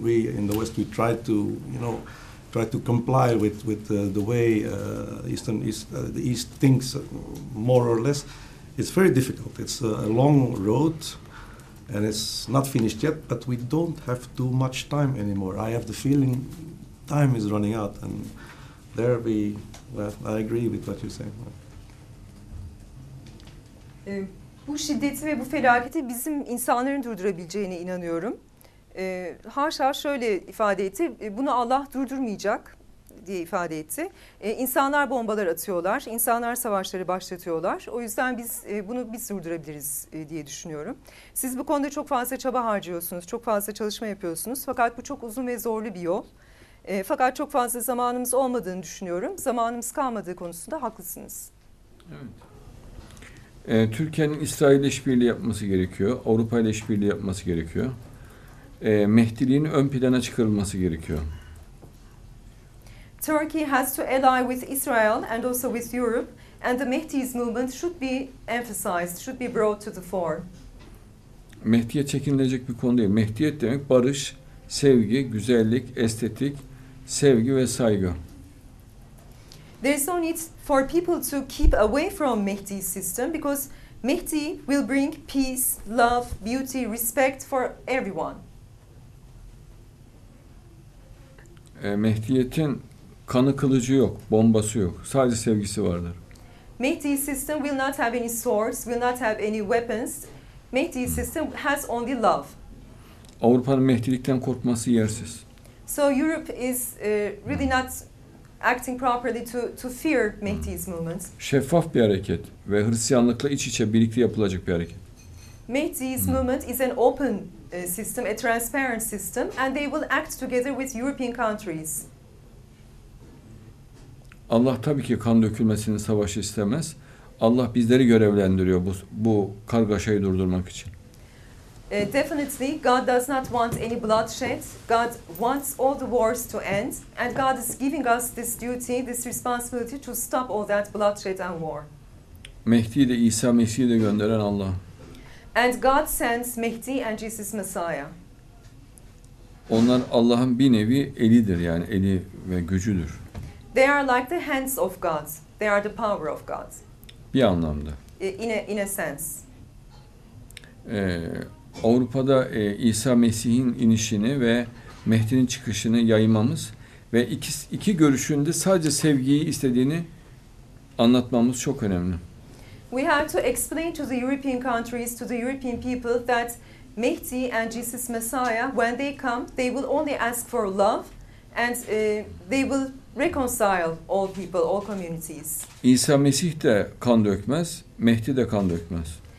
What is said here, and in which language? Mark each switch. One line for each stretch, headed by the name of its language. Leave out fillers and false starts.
English: We in the West, we try to, you know, try to comply with the way the East thinks, more or less. It's very difficult. It's a long road, and it's not finished yet. But we don't have too much time anymore. I have the feeling time is running out, and there we. Well, I agree with what you say.
Turkish: Bu şiddeti ve bu felaketi bizim insanların durdurabileceğine inanıyorum. Haşa şöyle ifade etti, bunu Allah durdurmayacak diye ifade etti. İnsanlar bombalar atıyorlar, insanlar savaşları başlatıyorlar. O yüzden biz bunu biz durdurabiliriz diye düşünüyorum. Siz bu konuda çok fazla çaba harcıyorsunuz, çok fazla çalışma yapıyorsunuz. Fakat bu çok uzun ve zorlu bir yol. Fakat çok fazla zamanımız olmadığını düşünüyorum. Zamanımız kalmadığı konusunda haklısınız. Evet. Türkiye'nin İsrail ile işbirliği yapması gerekiyor. Avrupa ile işbirliği yapması gerekiyor. Mehdiliğin ön plana çıkarılması gerekiyor.
English: Turkey has to ally with Israel and also with Europe, and the Mehdi's movement should be emphasized, should be brought to the fore.
Turkish: Mehdiye çekinilecek bir konu değil. Mehdiyet demek barış, sevgi, güzellik, estetik, sevgi ve saygı.
English: There is no need for people to keep away from Mehdi's system because Mehdi will bring peace, love, beauty, respect for everyone.
Turkish: Mehdiyetin kanı kılıcı yok, bombası yok. Sadece sevgisi vardır.
English: Mehdi's system will not have any swords, will not have any weapons. Mehdi's system has only love.
Turkish: Avrupa'nın Mehdilikten korkması yersiz.
English: So Europe is really not acting properly to fear Mehdi's movement.
Turkish: Şeffaf bir hareket ve Hristiyanlıkla iç içe birlikte yapılacak bir hareket.
English: Mehdi's movement is an open system, a transparent system, and they will act together with European countries.
Turkish: Allah tabii ki kan dökülmesini, savaşı istemez. Allah bizleri görevlendiriyor bu kargaşayı durdurmak için.
English: Definitely, God does not want any bloodshed. God wants all the wars to end, and God is giving us this duty, this responsibility to stop all that bloodshed and war.
Turkish: Mehdi de İsa Mesih'i de gönderen Allah.
English: And God sends Mehdi and Jesus Messiah.
Turkish: Onlar Allah'ın bir nevi elidir, yani eli ve gücüdür.
English: They are like the hands of God. They are the power of God.
Turkish: Bir anlamda.
English: In a sense.
Turkish: Avrupa'da İsa Mesih'in inişini ve Mehdi'nin çıkışını yaymamız ve iki görüşünde sadece sevgiyi istediğini anlatmamız çok önemli.
English: We have to explain to the European countries, to the European people that Mehdi and Jesus Messiah, when they come, they will only ask for love and they will reconcile all people, all communities.
Turkish: İsa Mesih de kan dökmez, Mehdi de kan dökmez.